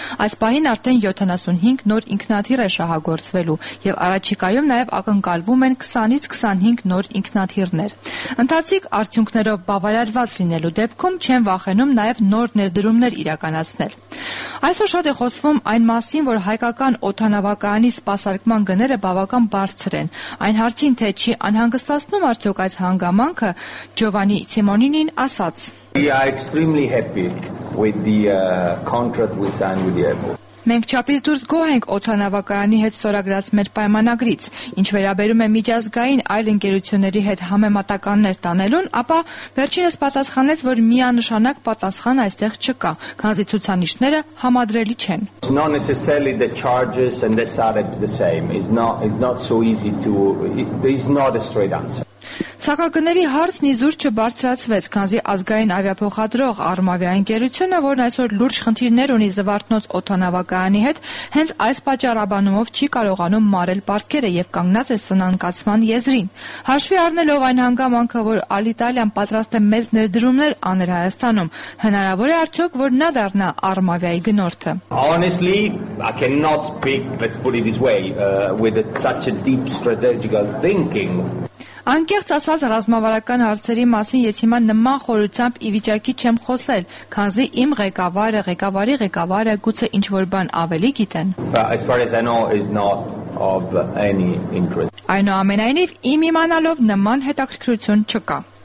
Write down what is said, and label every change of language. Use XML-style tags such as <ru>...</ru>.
<hy>Այս պահին արդեն 75 նոր ինքնաթիռ է շահագործվելու և առաջիկայում նաև ակնկալվում են 25 նոր ինքնաթիռներ։ Ընթացիկ արդյունքներով բավարարված լինելու դեպքում չեն վախենում նաև նոր ներդրումներ իրականացնել։ Այսօր շատ է խոսվում այն մասին, որ հայկական օդանավակայանի սպասարկման գները բավական բարձր են։ Այն հարցին, թե չի անհանգստացնում արդյոք այս հանգամանքը, Ջովանի Սիմոնինին ասաց.</hy> <en>We are extremely happy with the contract we signed with the airport.</en> <hy>Մենք չափից դուրս գոհ ենք օդանավակայանի հետ ստորագրած մեր պայմանագրից, ինչ վերաբերում է միջազգային այլ ընկերությունների հետ համեմատականներ տանելուն, ապա վերջինս պատասխանեց, որ միանշանակ պատասխան այստեղ չկա, քանզի ցուցանիշները համադրելի չեն։ Սակագների հարցն իզուր չբարձրացվեց, քանզի ազգային ավիափոխադրող Արմավիայի ընկերությունը, որն այսօր լուրջ խնդիրներ ունի Զվարթնոց օդանավակայանի հետ, հենց այս պատճառաբանումով չի կարողանում մարել պարտքերը և կանգնած է սնանկացման եզրին։ Հաշվի առնելով այն հանգամանքը, որ Ալիտալիան պատրաստ է մեծ ներդրումներ անել Հայաստանում, հնարավոր է արդյոք, որ նա դառնա Արմավիայի գնորդը։</hy> <en>Honestly, I cannot speak, let's put it this way, with such a deep strategical thinking.</en> <hy>Անկեղծ ասած, ռազմավարական հարցերի մասին ես հիմա նման խորությամբ ի վիճակի չեմ խոսել, քանզի իմ ղեկավարը, ղեկավարի ղեկավարը գուցե ինչ-որ բան ավելի գիտեն։ Այնուամենայնիվ, իմ իմանալով նման հետաքրքրություն չկա։</hy>